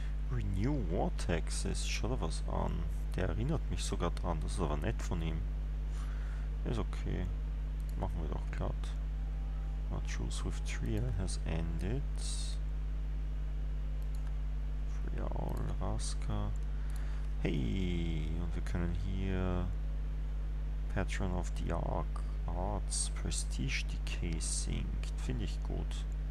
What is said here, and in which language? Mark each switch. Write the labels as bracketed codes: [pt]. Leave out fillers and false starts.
[de] Renew Vortexes, schau da was an. Der erinnert mich sogar dran, das ist aber nett von ihm. Ist okay. Machen wir doch glatt. [en] Our truce with Tria has ended. Free all Raska. [de] Hey, und wir können hier Patron of the Arc Arts Prestige Decay sinkt. Finde ich gut.